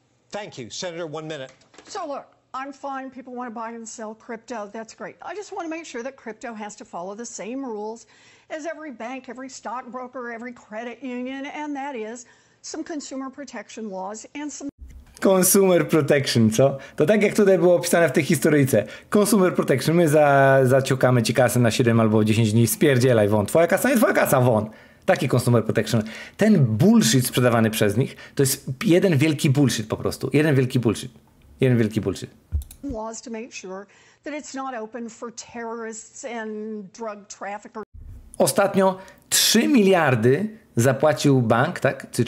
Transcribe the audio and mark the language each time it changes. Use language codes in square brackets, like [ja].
[en] Thank you. Senator, 1 minute. So look, I'm fine. People want to buy and sell crypto. That's great. I just want to make sure that crypto has to follow the same rules as every bank, every stockbroker, every credit union, and that is some consumer protection laws and some... [pl] Consumer protection, co? To tak jak tutaj było opisane w tej historyjce. Consumer protection. My zaciukamy ci kasę na 7 albo 10 dni. Spierdzielaj, won. Twoja kasa nie twoja kasa, won. Taki consumer protection. Ten bullshit sprzedawany przez nich, to jest jeden wielki bullshit po prostu. Jeden wielki bullshit. [en] Laws to make sure that it's not open for terrorists and drug traffickers. [pl] Ostatnio 3 miliardy zapłacił bank, tak?